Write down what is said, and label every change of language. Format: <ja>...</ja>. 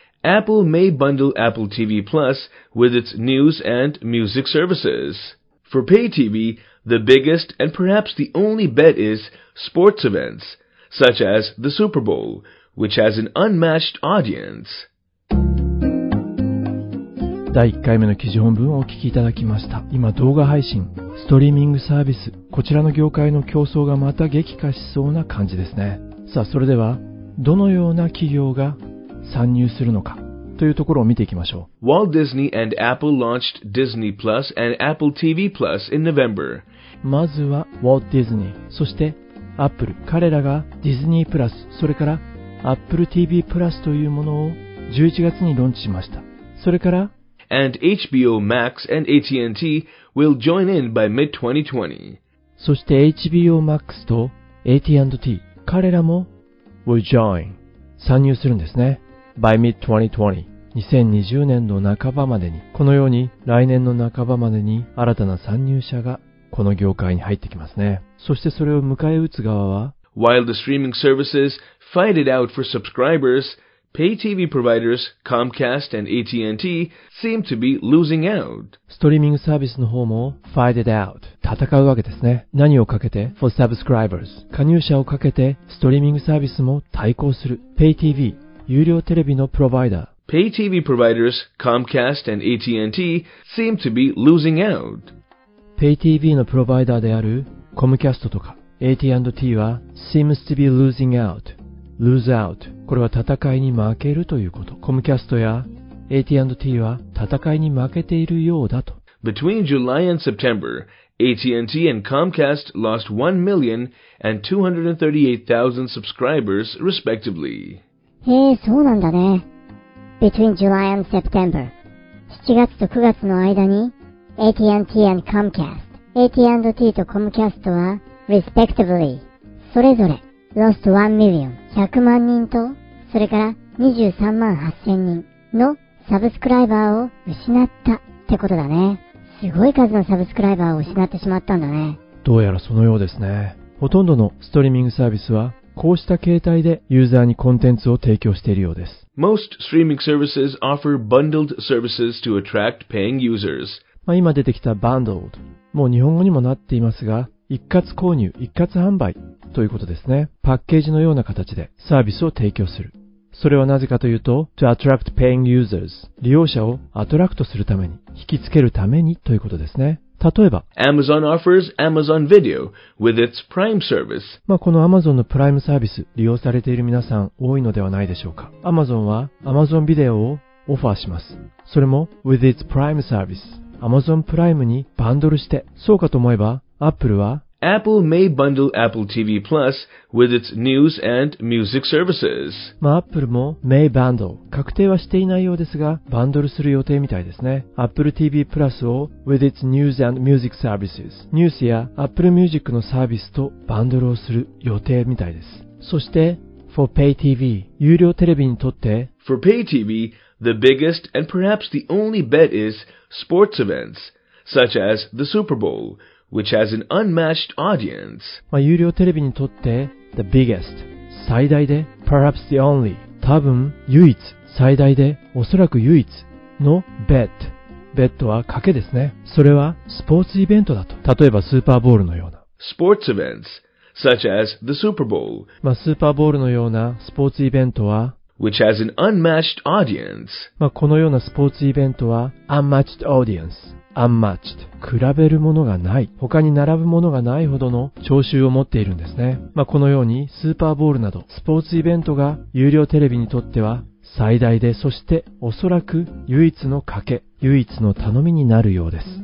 <en>Apple may bundle Apple TV Plus with its news and music services. For pay TV, the biggest and perhaps the only bet is sports events, such as the Super Bowl,which has an unmatched audience.</en> <ja>第1回目の記事本文をお聞きいただきました。今動画配信、ストリーミングサービス、こちらの業界の競争がまた激化しそうな感じですね。さあ、それではどのような企業が参入するのかというところを見ていきましょう。</ja> <en>Walt Disney and Apple launched Disney Plus and Apple TV Plus in November.</en> <ja>まずは Walt Disney、 そして Apple、 彼らが Disney Plus、 それからApple TV Plus というものを11月にローンチしました。それから</ja> <en>And HBO Max and AT&T will join in by mid-2020.</en> <ja>そして HBO Max と AT&T、 彼らも</ja> <en>will join、</en> <ja>参入するんですね。</ja> <en>by mid-2020、</en> <ja>2020年の半ばまでに、このように来年の半ばまでに新たな参入者がこの業界に入ってきますね。そしてそれを迎え撃つ側は、</ja> <en>While the streaming services fight it out for subscribers, pay TV providers Comcast and AT&T seem to be losing out.</en> <ja>ストリーミングサービスの方も</ja> <en>fight it out</en> <ja>戦うわけですね。何をかけて</ja> <en>for subscribers</en> <ja>加入者をかけてストリーミングサービスも対抗する。 pay TV 有料テレビのプロバイダー。</ja> <en>Pay TV providers Comcast and AT&T seem to be losing out.</en> <ja>Pay TV のプロバイダーである Comcast とか AT&T は</ja> <en>seems to be losing out. Lose out.</en> <ja>これは戦いに負けるということ。Comcast や AT&T は戦いに負けているようだと。</ja> <en>Between July and September, AT&T and Comcast lost 1 million and 238,000 subscribers respectively.</en> <ja>へえ、そうなんだね。</ja> <en>Between July and September.</en> <ja>7月と9月の間に AT&T and Comcast. AT&T と Comcast は</ja> <en>respectively</en> <ja>それぞれ</ja> <en>lost 1 million</en> <ja>100万人とそれから23万8000人のサブスクライバーを失ったってことだね。すごい数のサブスクライバーを失ってしまったんだね。どうやらそのようですね。ほとんどのストリーミングサービスはこうした形態でユーザーにコンテンツを提供しているようです。</ja> <en>Most streaming services offer bundled services to attract paying users.</en> <ja>まあ今出てきた bundled。もう日本語にもなっていますが、一括購入、一括販売ということですね。パッケージのような形でサービスを提供する。それはなぜかというと、</ja> <en>to attract paying users。</en> <ja>利用者をアトラクトするために、引きつけるためにということですね。例えば、</ja> <en>Amazon offers Amazon Video with its Prime service。</en> <ja>まあこの Amazon のプライムサービス利用されている皆さん多いのではないでしょうか。 Amazon は Amazon Video をオファーします。それも</ja> <en>with its Prime service。</en> <ja>Amazon Prime にバンドルして、そうかと思えば、Apple は</ja> <en>Apple may bundle Apple TV Plus with its news and music services。</en> <ja>まあ Apple も</ja> <en>may bundle</en> <ja>確定はしていないようですが、バンドルする予定みたいですね。 Apple TV Plus を</ja> <en>with its news and music services。</en> <ja>ニュースや Apple Music のサービスとバンドルをする予定みたいです。そして</ja> <en>for pay TV</en> <ja>有料テレビにとって</ja> <en>for pay TV the biggest and perhaps the only bet is sports events such as the Super Bowl。 Which has an unmatched audience.</en> <ja>まあ有料テレビにとって</ja> <en>the biggest</en> <ja>最大で</ja> <en>perhaps the only</en> <ja>多分唯一最大でおそらく唯一の bet bet は賭けですね。それはスポーツイベントだと。例えばスーパーボールのような</ja> <en>sports events such as the Super Bowl。</en> <ja>まあスーパーボールのようなスポーツイベントは</ja> <en>which has an unmatched audience。</en> <ja>まあこのようなスポーツイベントは</ja> <en>unmatched audience。 Unmatched</en> <ja>比べるものがない他に並ぶものがないほどの聴衆を持っているんですね。まあ、このようにスーパーボールなどスポーツイベントが有料テレビにとっては最大でそしておそらく唯一の賭け唯一の頼みになるようです。</ja>